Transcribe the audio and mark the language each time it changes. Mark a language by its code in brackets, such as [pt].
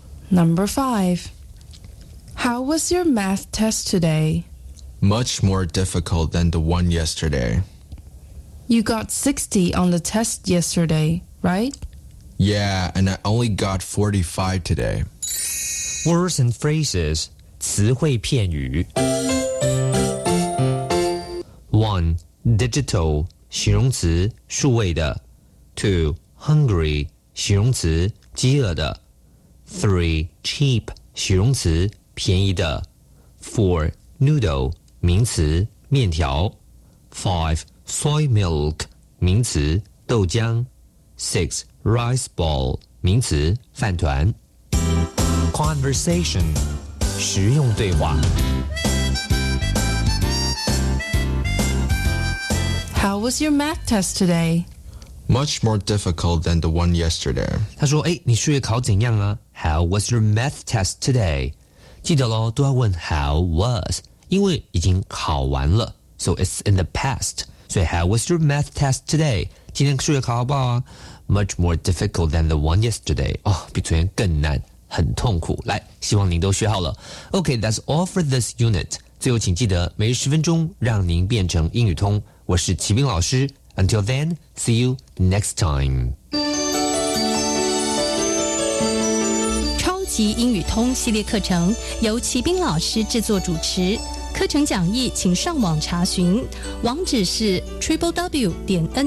[en] Number five. How was your math test today? Much more difficult than the one yesterday. You got 60 on the test yesterday, right? Yeah, and I only got 45 today. Words and phrases. [zh] 词汇片语One, digital, 形容词数位的 Two, hungry, 形容词饥饿的 Three, cheap, 形容词便宜的 Four, noodle, 名词面条 Five, soy milk, 名词豆浆 Six, rice ball, 名词饭团 Conversation, 实用对话 [en] How was your math test today? Much more difficult than the one yesterday. [zh] 他说，哎，你数学考怎样啊？ [en] How was your math test today? [zh] 记得咯，都要问 how was, 因为已经考完了。 [en] So it's in the past. [zh] 所以 [en] how was your math test today? [zh] 今天数学考好不好啊？ [en] Much more difficult than the one yesterday. [zh] 哦，比昨天更难，很痛苦。来，希望您都学好了。 [en] Okay, that's all for this unit. [zh] 最后请记得，每日十分钟，让您变成英语通。我是齐兵老师 [en] Until then, see you next time [zh] 超级英语通系列课程由齐兵老师制作主持课程讲义请上网查询网址是 www.ner.gov.tw